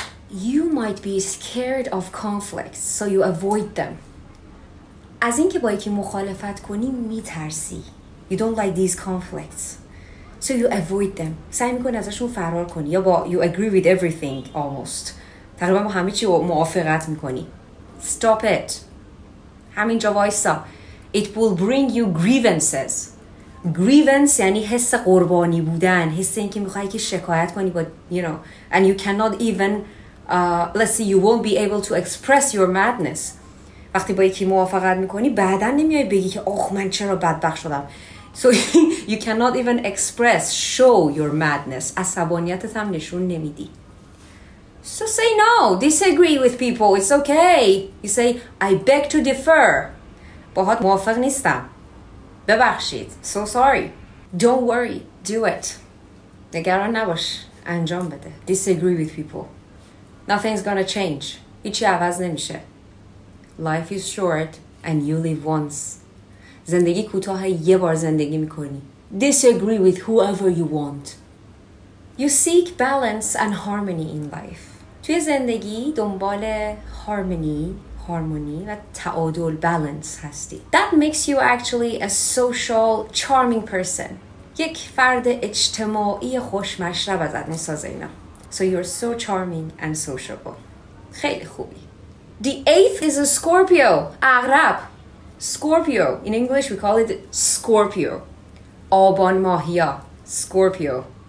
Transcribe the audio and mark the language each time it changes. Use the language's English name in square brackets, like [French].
[English] You might be scared of conflicts, so you avoid them. [Persian] از اینکه با یکی مخالفت کنی میترسی. [English] You don't like these conflicts. So you avoid them. [Persian] سعی میکنی ازشون فرار کنی. یا با [English] you agree with everything almost. [Persian] تقریبا با همه چی موافقت میکنی. [English] Stop it. [Persian] همینجا وایسا. [English] It will bring you grievances. [Persian] Grievance یعنی حس قربانی بودن. حس اینکه میخوای که شکایت کنی. [English] But you know. And you cannot even. Let's see. You won't be able to express your madness. [Persian] وقتی با یکی موافقت میکنی بعدا نمیای بگی که اوه من چرا بدبخت شدم. [English] So you cannot even express, show your madness. [Persian] عصبانیتت هم نشون نمیدی. [English] So say no, disagree with people, it's okay. You say, I beg to differ. [Persian] باهات موافق نیستم. ببخشید. [English] So sorry. Don't worry, do it. [Persian] نگران نباش. انجام بده. [English] Disagree with people. Nothing's gonna change. [Persian] هیچی عوض نمیشه. [English] Life is short and you live once. [Persian] زندگی کوتاه یه بار زندگی میکنی. [English] Disagree with whoever you want. You seek balance and harmony in life. [Persian] توی زندگی دنبال هارمونی و تعادل balance هستی. [English] That makes you actually a social charming person. [Persian] یک فرد اجتماعی خوشمشرب ازت میسازه اینا. [English] So you're so charming and sociable. [Persian] خیلی خوبی. [English] The eighth is a Scorpio. عقرب. Scorpio. In English, we call it Scorpio. [Persian] آبان ماهیا. [English] Scorpio.